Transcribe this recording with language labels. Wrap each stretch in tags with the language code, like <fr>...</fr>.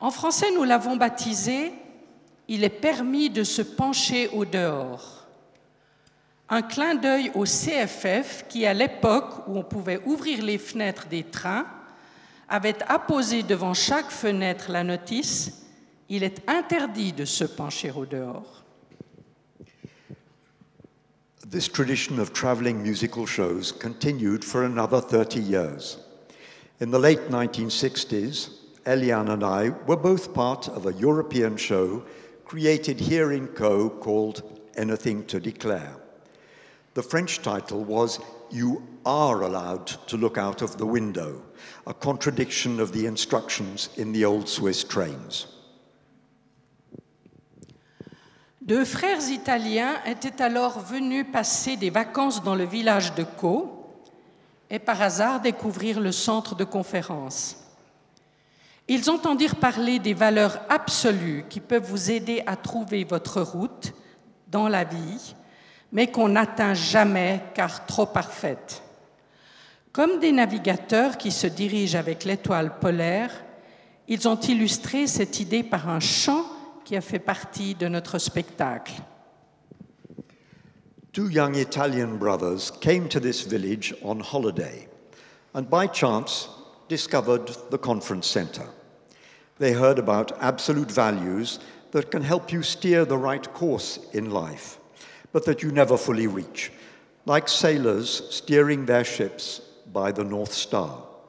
<fr>En français, nous l'avons baptisé « Il est permis de se pencher au dehors ». Un clin d'œil au CFF qui, à l'époque où on pouvait ouvrir les fenêtres des trains, avait apposé devant chaque fenêtre la notice « Il est interdit de se pencher au dehors ».</fr> <en>This tradition of traveling musical shows continued for another 30 years. In the late 1960s, Eliane and I were both part of a European show created here in Caux called Anything to Declare. The French title was You Are Allowed to Look Out of the Window, a contradiction of the instructions in the old Swiss trains.</en> <fr>Deux frères italiens étaient alors venus passer des vacances dans le village de Caux et par hasard découvrir le centre de conférence. Ils entendirent parler des valeurs absolues qui peuvent vous aider à trouver votre route dans la vie, mais qu'on n'atteint jamais car trop parfaite. Comme des navigateurs qui se dirigent avec l'étoile polaire, ils ont illustré cette idée par un chant qui a fait partie de notre spectacle.</fr> <en>Two young Italian brothers came to this village on holiday and by chance discovered the conference center. They heard about absolute values that can help you steer the right course in life, but that you never fully reach, like sailors steering their ships by the North Star.</en>